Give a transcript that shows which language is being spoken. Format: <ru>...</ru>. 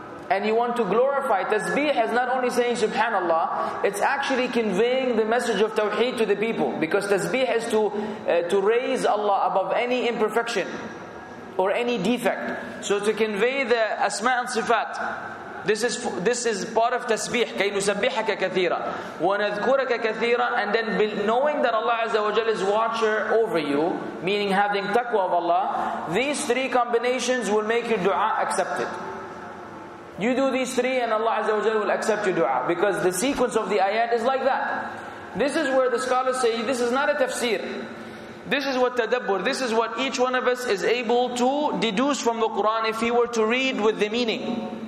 <en>And you want to glorify. Tasbih is not only saying Subhanallah, it's actually conveying the message of Tawheed to the people. Because tasbih is to raise Allah above any imperfection or any defect. So to convey the asma and sifat, this is part of tasbih.</en> <ar>كَيْ نُسَبِّحَكَ كَثِيرًا وَنَذْكُرَكَ كَثِيرًا.</ar> <en>And then knowing that Allah Azza wa Jal is watcher over you, meaning having taqwa of Allah, these three combinations will make your dua accepted. You do these three and Allah Azza wa Jal will accept your dua. Because the sequence of the ayat is like that. This is where the scholars say, this is not a tafsir. This is what tadabbur, this is what each one of us is able to deduce from the Quran if he were to read with the meaning.</en>